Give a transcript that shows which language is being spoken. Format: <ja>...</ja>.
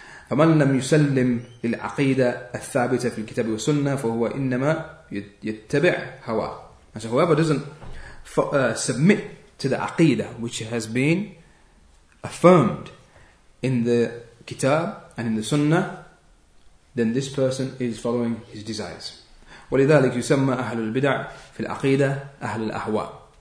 <ar>فمن لم يسلم للعقيدة الثابتة في الكتاب والسنة فهو إنما يتبع هوا.</ar> <en>And so whoever doesn't submit to the aqidah which has been affirmed in the kitab and in the sunnah, then this person is following his desires.</en> <ar>ولذلك يسمى أهل البدع في العقيدة أهل الأهواء.</ar>